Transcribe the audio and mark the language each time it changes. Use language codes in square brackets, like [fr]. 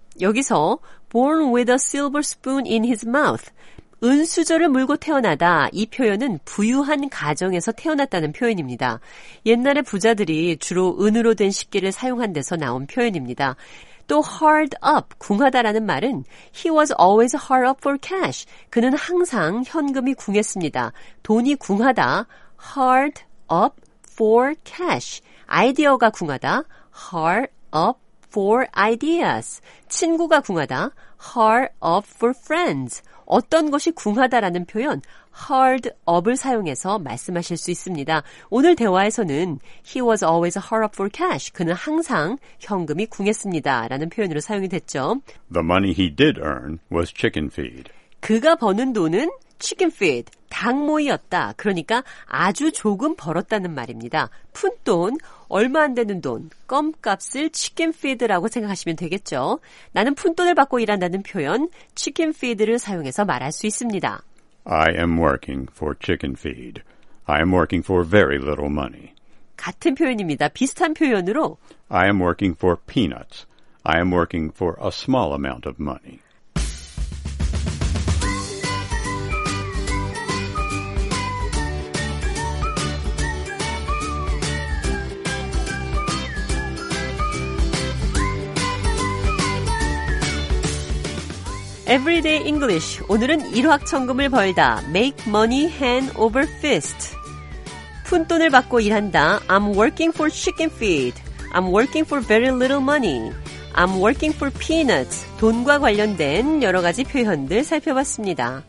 [en] 여기서, born with a silver spoon in his mouth. [ko] 은수저를 물고 태어나다, 이 표현은 부유한 가정에서 태어났다는 표현입니다. 옛날에 부자들이 주로 은으로 된 식기를 사용한 데서 나온 표현입니다. [en] 또 hard up, [ko] 궁하다라는 말은 [en] he was always hard up for cash. [ko] 그는 항상 현금이 궁했습니다. 돈이 궁하다, [en] hard up for cash. [ko] 아이디어가 궁하다, [en] hard up for ideas. [ko] 친구가 궁하다, [en] hard up for friends. [ko] 어떤 것이 궁하다라는 표현 hard up을 사용해서 말씀하실 수 있습니다. 오늘 대화에서는 [en] he was always hard up for cash. [ko] 그는 항상 현금이 궁했습니다라는 표현으로 사용이 됐죠. [en] The money he did earn was chicken feed. [ko] 그가 버는 돈은 chicken feed, 닭모이였다. 그러니까 아주 조금 벌었다는 말입니다. 푼돈, 얼마 안 되는 돈, 껌값을 chicken feed라고 생각하시면 되겠죠. 나는 푼돈을 받고 일한다는 표현, chicken feed를 사용해서 말할 수 있습니다. [en] I am working for chicken feed. I am working for very little money. [ko] 같은 표현입니다. 비슷한 표현으로 [en] I am working for peanuts. I am working for a small amount of money. [ko] 에브리데이 잉글리쉬, 오늘은 일확천금을 벌다, make money hand over fist. 푼돈을 받고 일한다, I'm working for chicken feed. I'm working for very little money. [en] I'm working for peanuts. [ko] 돈과 관련된 여러 가지 표현들 살펴봤습니다.